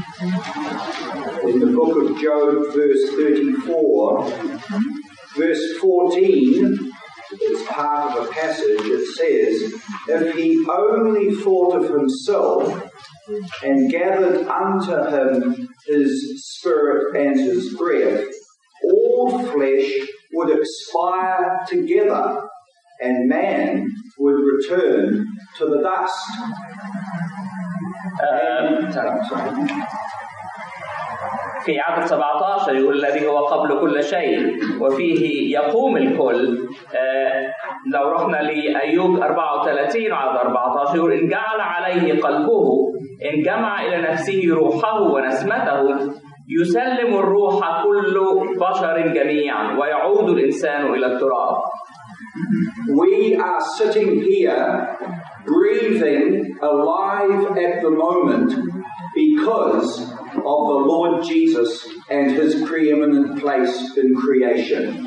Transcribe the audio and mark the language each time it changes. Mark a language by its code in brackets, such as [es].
[en] In the book of Job, verse 34, verse 14, it's part of a passage, it says, if he only thought of himself and gathered unto him his spirit and his breath, all flesh would expire together, and man would return to the dust. [ar] في عدد 17 يقول الذي هو قبل كل شيء وفيه يقوم الكل لو رحنا لأيوب 34 عدد 14 يقول إن جعل عليه قلبه إن جمع إلى نفسه روحه ونسمته يسلم الروح كل بشر جميعا ويعود الإنسان إلى التراب. [en] We are sitting here breathing alive at the moment because of the Lord Jesus and his preeminent place in creation.